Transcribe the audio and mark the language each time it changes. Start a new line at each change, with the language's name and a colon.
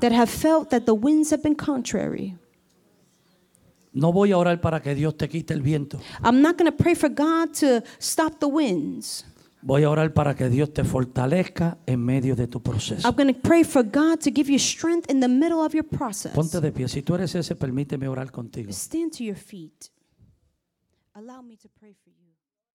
English: That have felt that the winds have been contrary.
Spanish: No voy a orar para que Dios te quite el viento.
English: I'm not gonna pray for God to stop the winds.
Spanish: Voy a orar para que Dios te fortalezca en medio de tu proceso.
English: I'm going to pray for God to give you strength in the middle of your process.
Spanish: Ponte de pie. Si tú eres ese, permíteme orar contigo.
English: Stand to your feet. Allow me to pray for you.